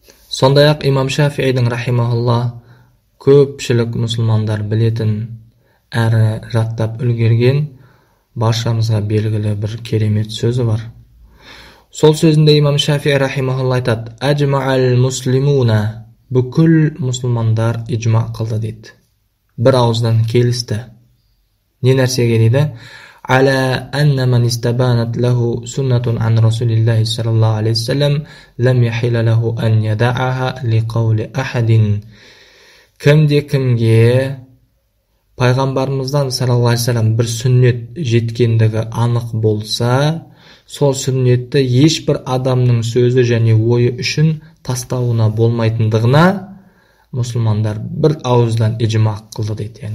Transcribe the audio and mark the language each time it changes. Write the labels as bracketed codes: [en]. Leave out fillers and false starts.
[kk] Сондай-ақ Имам Шафиидің рахимахулла көпшілік мұсылмандар білетін әрі жаттап үлгерген баршамызға белгілі бір керемет сөзі бар. Сол сөзінде Имам Шафии рахимахулла айтады: "Аджмаал муслимуна", бүкіл мұсылмандар ижма қылды дейді. Бір ауыздан келісті. Не нәрсеге дейді? [ar] على أن من استبانت له سنة عن رسول الله صلى الله عليه وسلم لم يحل له أن يدعها لقول أحد. [kk] Кімде кімге пайғамбарымыздан саллаллаһу алейхи уассалам бір сүннет жеткендігі анық болса, сол сүннетті ешбір адамның сөзі және ойы үшін тастауына болмайтындығына мұсылмандар бір ауыздан ижма қылды дейді.